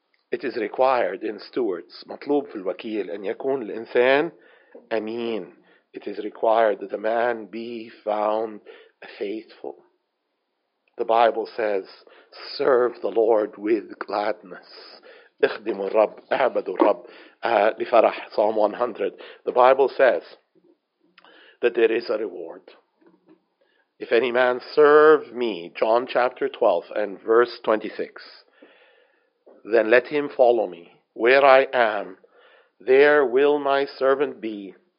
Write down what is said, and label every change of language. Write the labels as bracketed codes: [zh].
[en] It is required in stewards, [ar] مطلوب في الوكيل, أن يكون الإنسان أمين. [en] It is required that a man be found faithful. The Bible says, serve the Lord with gladness. [ar] اخدموا الرب, اعبدوا الرب لفرح, Psalm 100. [en] The Bible says that there is a reward. If any man serve me, John chapter 12 and verse 26, then let him follow me. Where I am, there will my servant be.